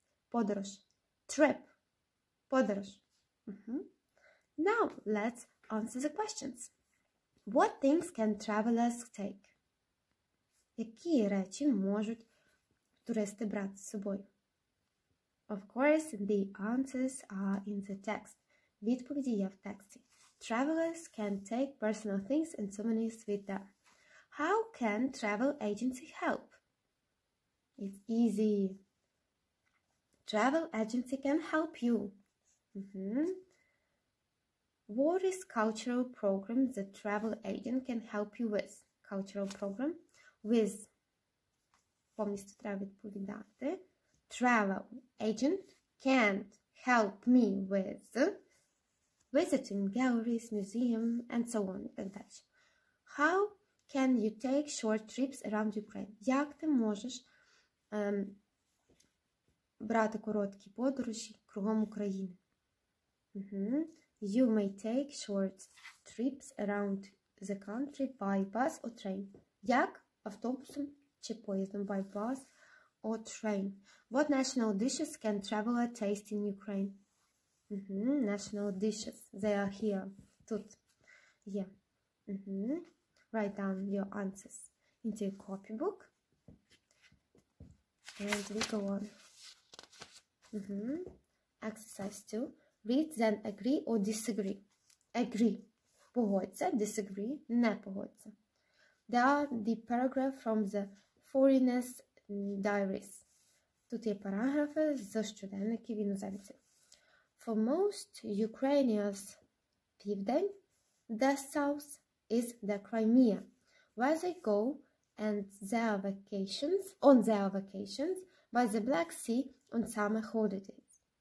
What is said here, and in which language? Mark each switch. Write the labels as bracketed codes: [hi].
[uk] Подорож. [en] Trip. [uk] Подорож. [en] Now, let's answer the questions. What things can travelers take? [uk] Які речі можуть туристи брати з собою? [en] Of course, the answers are in the text. [uk] Відповіді є в тексті. [en] Travelers can take personal things and souvenirs with them. How can travel agency help? It's easy. Travel agency can help you. What is cultural program the travel agent can help you with? Cultural program with [uk] повністю треба відповідати. [en] Travel agent can help me with visiting galleries, museum and so on. How can you take short trips around Ukraine? [uk] Як ти можеш брати короткі подорожі кругом України? [en] You may take short trips around the country by bus or train. [uk] Як? Автобусом чи поїздом? [en] By bus or train. What national dishes can traveler taste in Ukraine? National dishes. They are here. Тут. Yeah. Write down your answers into a copy book. And we go on. Exercise 2. Read, then agree or disagree. [uk] Agree. Погодься, disagree, не погодься. [en] There are the paragraph from the foreigners' diaries. [uk] Тут є параграфи з щоденників іноземців. [en] For most Ukrainians, Південь, the south is the Crimea, where they go and their vacations, on their vacations by the Black Sea on summer holidays.